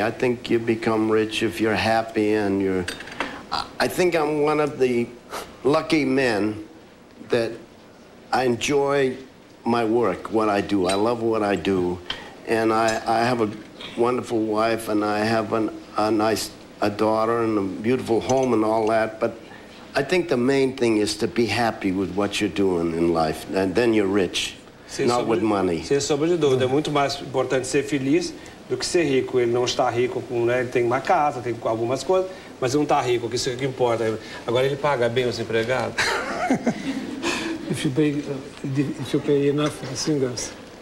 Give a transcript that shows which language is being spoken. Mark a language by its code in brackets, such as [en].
[en] I think you become rich if you're happy and you're... I think I'm one of the lucky men that I enjoy my work, what I do. I love what I do. And I have a wonderful wife and I have a nice daughter and a beautiful home and all that. But I think the main thing is to be happy with what you're doing in life. And then you're rich, not with money. [pt] Sem sombra de dúvida. É muito mais importante ser feliz do que ser rico. Ele não está rico, né? Ele tem uma casa, tem algumas coisas. Mas ele não está rico, que isso é o que importa. Agora ele paga bem os empregados. [en] If you pay, if you pay enough for the singers.